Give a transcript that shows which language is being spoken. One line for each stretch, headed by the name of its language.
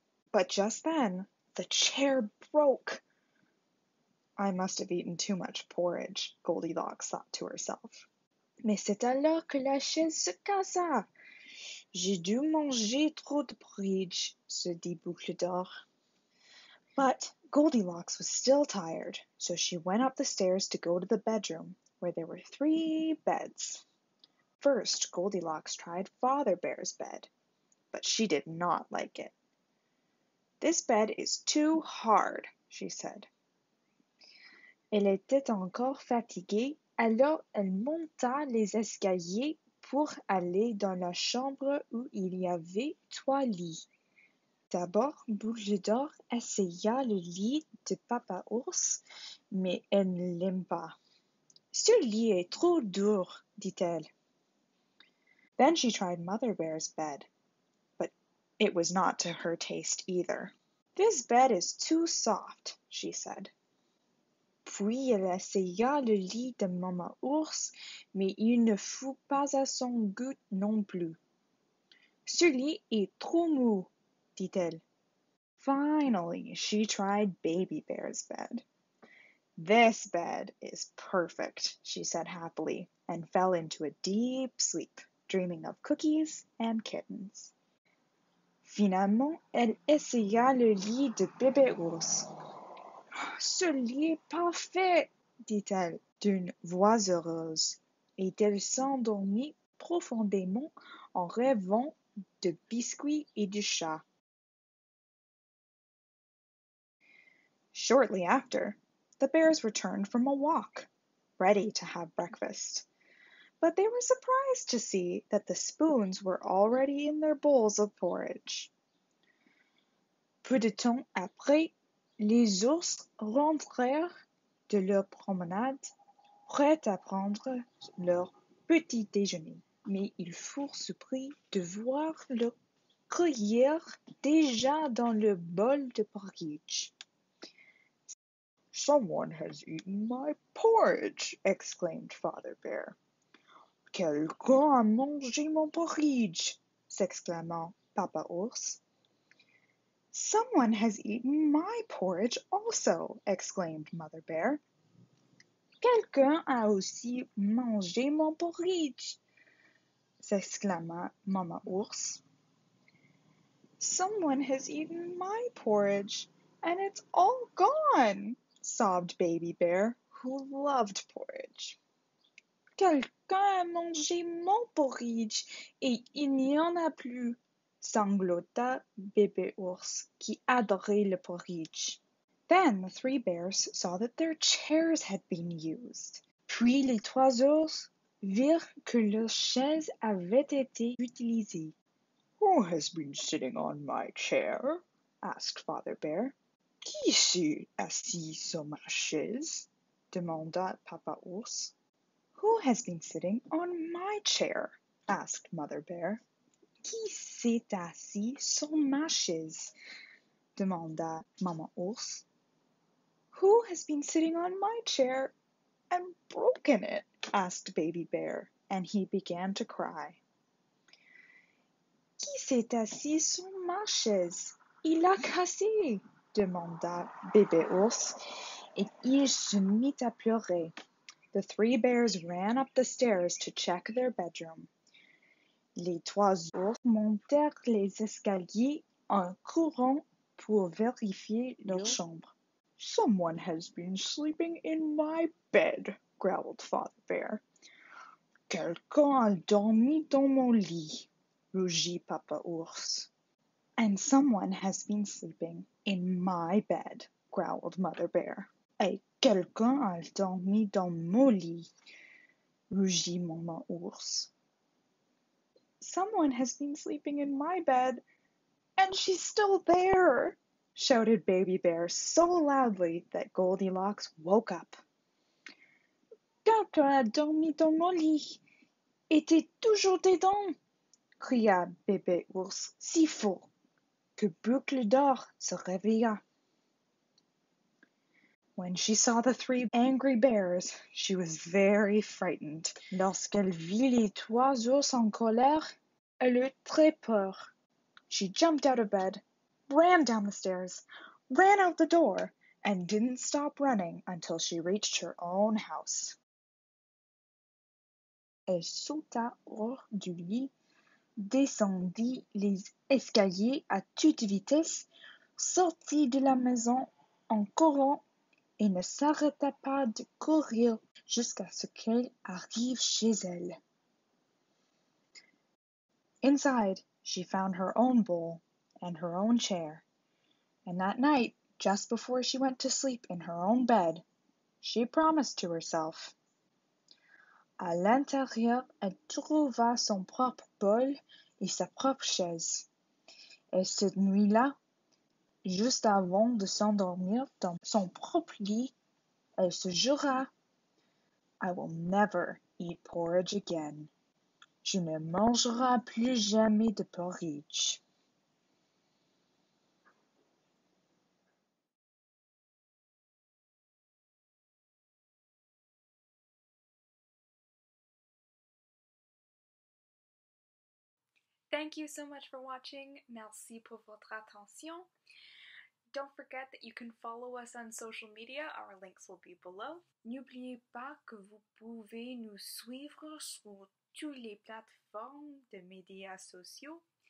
English: But just then, the chair broke. I must have eaten too much porridge, Goldilocks thought to herself.
French: Mais c'est alors que la chaise se cassa. J'ai dû manger trop de porridge, se dit Boucle d'or.
English: But Goldilocks was still tired, so she went up the stairs to go to the bedroom, where there were three beds. First, Goldilocks tried Father Bear's bed, but she did not like it. This bed is too hard, she said.
French: Elle était encore fatiguée, alors elle monta les escaliers pour aller dans la chambre où il y avait trois lits. D'abord, Boucle d'or essaya le lit de Papa Ours, mais elle ne l'aime pas. « Ce lit est trop dur, » dit-elle.
English: Then she tried Mother Bear's bed, but it was not to her taste either. « This bed is too soft, » she said.
French: Puis elle essaya le lit de Mama Ours, mais il ne fut pas à son goût non plus. « Ce lit est trop mou, » dit-elle.
English: Finally, she tried Baby Bear's bed. This bed is perfect, she said happily, and fell into a deep sleep, dreaming of cookies and kittens.
French: Finalement, elle essaya le lit de Bébé Ours. Ce lit est parfait, dit-elle d'une voix heureuse, et elle s'endormit profondément en rêvant de biscuits et de chat.
English: Shortly after, the bears returned from a walk, ready to have breakfast. But they were surprised to see that the spoons were already in their bowls of porridge.
French: Peu de temps après, les ours rentrèrent de leur promenade, prêts à prendre leur petit déjeuner. Mais ils furent surpris de voir leur gruyère déjà dans le bol de porridge.
English: Someone has eaten my porridge, exclaimed Father Bear.
French: Quelqu'un a mangé mon porridge, s'exclama Papa Ours.
English: Someone has eaten my porridge also, exclaimed Mother Bear.
French: Quelqu'un a aussi mangé mon porridge, s'exclama Mama Ours.
English: Someone has eaten my porridge, and it's all gone, sobbed Baby Bear, who loved porridge.
French: Quelqu'un a mangé mon porridge et il n'y en a plus, sanglota Bébé Ours, qui adorait le porridge.
English: Then the three bears saw that their chairs had been used.
French: Puis les trois ours virent que leurs chaises avaient été utilisées.
English: Who has been sitting on my chair? Asked Father Bear.
French: « Qui s'est assis sur ma chaise ?» demanda Papa Ours.
English: « Who has been sitting on my chair ?» asked Mother Bear.
French: « Qui s'est assis sur ma chaise ?» demanda Mama Ours.
English: « Who has been sitting on my chair and broken it ?» asked Baby Bear, and he began to cry.
French: qui s'est assis sur ma chaise? Il a cassé, demanda bébé ours, et il se mit à pleurer.
English: The three bears ran up the stairs to check their bedroom.
French: Les trois ours montèrent les escaliers en courant pour vérifier leur chambre.
English: Someone has been sleeping in my bed, growled Father Bear.
French: Quelqu'un a dormi dans mon lit, rugit Papa Ours.
English: And someone has been sleeping in my bed, growled Mother Bear.
French: Et quelqu'un a dormi dans mon lit, rugit Maman Ours.
English: Someone has been sleeping in my bed, and she's still there, shouted Baby Bear so loudly that Goldilocks woke up.
French: Quelqu'un a dormi dans mon lit, et t'es toujours dedans, cria Bébé Ours si fort que Boucle d'or se réveilla.
English: When she saw the three angry bears, she was very frightened.
French: Lorsqu'elle vit les trois ours en colère, elle eut très peur.
English: She jumped out of bed, ran down the stairs, ran out the door, and didn't stop running until she reached her own house.
French: Elle sauta hors du lit, descendit les escaliers à toute vitesse, sortit de la maison en courant et ne s'arrêta pas de courir jusqu'à ce qu'elle arrive chez elle.
English: Inside, she found her own bowl and her own chair. And that night, just before she went to sleep in her own bed, she promised to herself.
French: À l'intérieur, elle trouva son propre bol et sa propre chaise. Et cette nuit-là, juste avant de s'endormir dans son propre lit, elle se jura.
English: I will never eat porridge again.
French: Je ne mangerai plus jamais de porridge.
English: Thank you so much for watching.
French: Merci pour votre attention.
English: Don't forget that you can follow us on social media. Our links will be below.
French: N'oubliez pas que vous pouvez nous suivre sur toutes les plateformes de médias sociaux.